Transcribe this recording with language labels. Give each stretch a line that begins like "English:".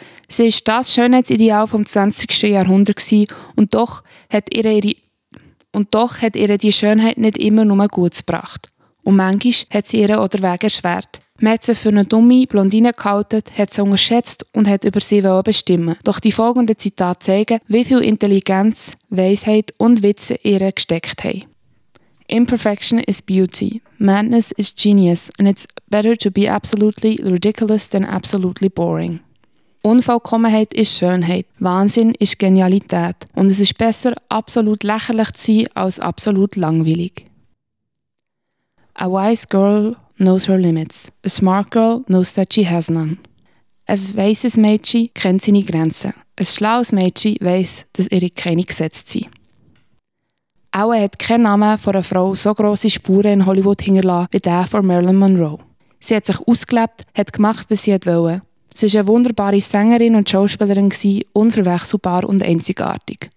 German: Sie war das Schönheitsideal vom 20. Jahrhundert und doch hat ihre die Schönheit nicht immer nur gut gebracht. Und manchmal hat sie ihre oder Weg erschwert. Man hat sie für eine dumme Blondine gehalten, hat sie unterschätzt und hat über sie bestimmen. Doch die folgenden Zitate zeigen, wie viel Intelligenz, Weisheit und Witze ihr gesteckt haben.
English: Imperfection is beauty. Madness is genius. And it's better to be absolutely ridiculous than absolutely boring.
German: Unvollkommenheit ist Schönheit. Wahnsinn ist Genialität. Und es ist besser, absolut lächerlich zu sein, als absolut langweilig.
English: A wise girl knows her limits. A smart girl knows that she has none.
German: Ein weisses Mädchen kennt seine Grenzen. Ein schlaues Mädchen weiss, dass ihre keine gesetzt sind. Auch hat kein Name von einer Frau so grosse Spuren in Hollywood hinterlassen wie der von Marilyn Monroe. Sie hat sich ausgelebt, hat gemacht, was sie wollte. Sie war eine wunderbare Sängerin und Schauspielerin, unverwechselbar und einzigartig.